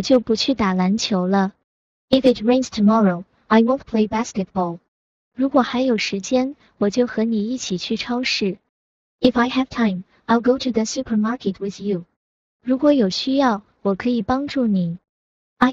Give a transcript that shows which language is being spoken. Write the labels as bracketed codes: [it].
[zh] 如果明天下雨,我就不去打篮球了。 [en] If it rains tomorrow, I won't play basketball. [zh] 如果还有时间,我就和你一起去超市。 [en] If I have time, I'll go to the supermarket with you. [zh] 如果有需要,我可以帮助你。 [en] I